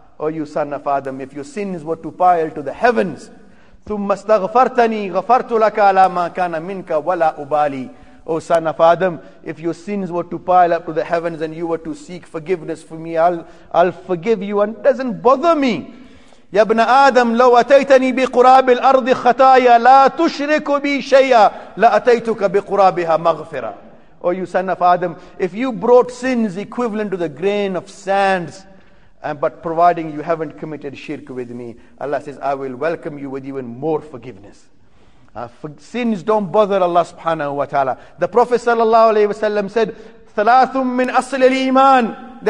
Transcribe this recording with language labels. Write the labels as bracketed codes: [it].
[en] Oh, you son of Adam, if your sins were to pile to the heavens, [ar] ثم استغفرتني غفرت لك على ما كان منك ولا أبالي. [en] O son of Adam, if your sins were to pile up to the heavens and you were to seek forgiveness for me, I'll forgive you and it doesn't bother me. [ar] Ya ibn Adam, لو أتيتني بقراب الأرض خطايا لا تشرك بي شيئا لأتيتك بقرابها مغفرة. [en] O you son of Adam, if you brought sins equivalent to the grain of sands, but providing you haven't committed shirk with me, Allah says, I will welcome you with even more forgiveness. Sins don't bother Allah subhanahu wa ta'ala. The Prophet sallallahu alayhi wa sallam said, [ar] ثَلَاثٌ مِّنْ أَصْلِ الْإِيمَانِ.